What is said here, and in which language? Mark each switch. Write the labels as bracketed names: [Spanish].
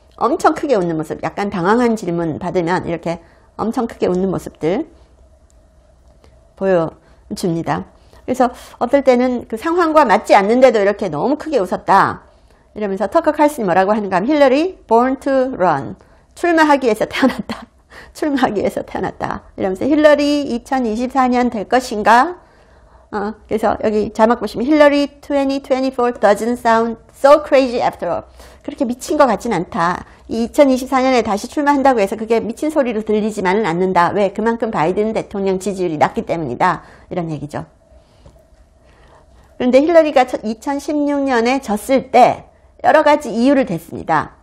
[Korean] 엄청 크게 웃는 모습, 약간 당황한 질문 받으면 이렇게 엄청 크게 웃는 모습들 보여줍니다. 그래서 어떨 때는 그 상황과 맞지 않는데도 이렇게 너무 크게 웃었다 이러면서 터커 칼슨이 뭐라고 하는가 하면 힐러리 [English] born to run, [Korean] 출마하기 위해서 태어났다. 출마하기 위해서 태어났다 이러면서 힐러리 2024년 될 것인가. 그래서 여기 자막 보시면 [English] 힐러리 2024 doesn't sound so crazy after all. [Korean] 그렇게 미친 것 같진 않다. 이 2024년에 다시 출마한다고 해서 그게 미친 소리로 들리지만은 않는다. 왜? 그만큼 바이든 대통령 지지율이 낮기 때문이다. 이런 얘기죠. 그런데 힐러리가 2016년에 졌을 때 여러 가지 이유를 댔습니다.